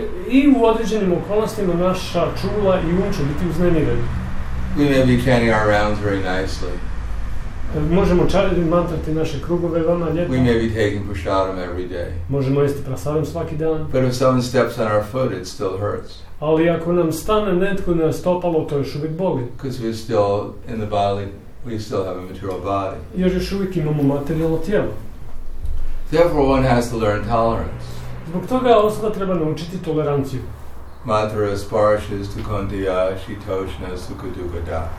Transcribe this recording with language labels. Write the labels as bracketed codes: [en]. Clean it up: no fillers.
[hr] I u određenim okolnostima naša čula i um će biti uznemireni. [en] We may be chanting our rounds very nicely. [hr] Možemo čariti mantrati naše krugove vama lijepo. [en] We may be taking prasadam every day. [hr] Možemo jesti prasadam svaki dan. [en] But if someone steps on our foot, it still hurts. [hr] Ali ako nam stane netko na stopalo, to još uvijek boli. [en] Because we're still in the body, we still have a material body. [hr] Jer još uvijek imamo materijalno tijelo. [en] Therefore, one has to learn tolerance. [hr] Zbog toga osoba treba naučiti toleranciju. [sa] Matra sparsha sukandiya shitoshna sukadugada.